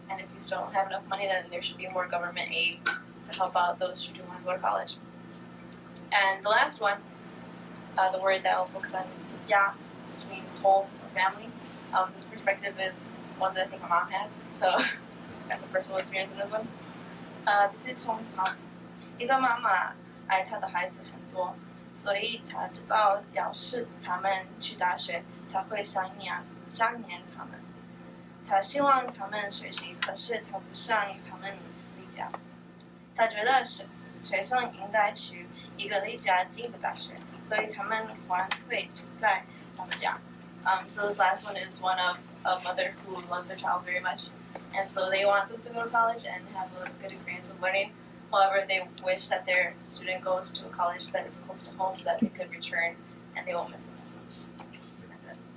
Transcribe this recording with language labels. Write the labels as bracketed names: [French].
[English] And if you still don't have enough money, then there should be more government aid to help out those who do want to go to college. And the last one, the word that I'll focus on is 家, which means home. Family. This perspective is one that I think my mom has, so that's a personal experience in this one. This is [Chinese] 从小，一个妈妈爱她的孩子很多，所以她知道要是他们去大学，才会想念他们。他希望他们学习，可是他不想他们离家。他觉得学生应该去一个离家近的大学，所以他们还会住在他们家。 [English] So this last one is one of a mother who loves her child very much, and so they want them to go to college and have a good experience of learning. However, they wish that their student goes to a college that is close to home so that they could return and they won't miss them as much. That's it.